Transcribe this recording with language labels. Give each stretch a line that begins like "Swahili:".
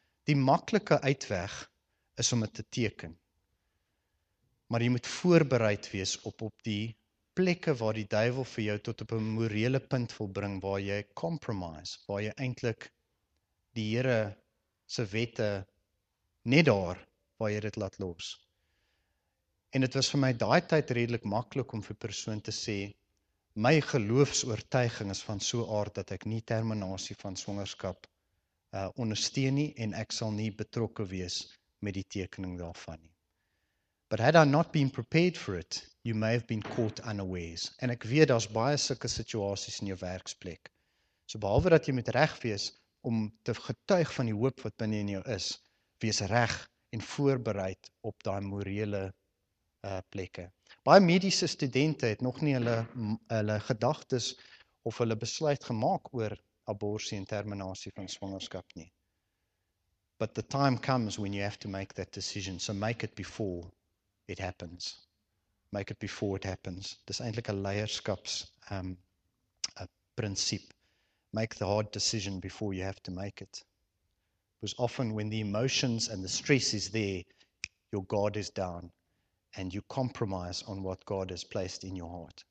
Afrikaans: Die maklike uitweg is om dit te teken. Maar jy moet voorbereid wees op die plekke waar die duivel vir jou tot op 'n morele punt wil bring waar jy compromise, waar jy eintlik die Here se wette net daar waar jy dit laat los. En dit was vir my daai tyd redelik maklik om vir persoon te sê my geloofs-oortuiging is van so aard dat ek nie terminasie van swangerskap ondersteun nie en ek sal nie betrokke wees met die tekening daarvan nie.
English: But had I not been prepared for it, you may have been caught unawares.
Afrikaans: En ek weet daar's baie sulke situasies in jou werksplek. So behalwe dat jy moet reg wees om te getuig van die hoop wat binne in jou is, wees reg en voorbereid op daai morele plekke. Baie mediese studente het nog nie hulle gedagtes of hulle besluit gemaak oor abortus en terminasie van swangerskap nie.
English: But the time comes when you have to make that decision, so make it before it happens. Make it before it happens.
Afrikaans: Dis eintlik 'n leierskaps prinsip.
English: Make the hard decision before you have to make it. Because often when the emotions and the stress is there, your guard is down and you compromise on what God has placed in your heart.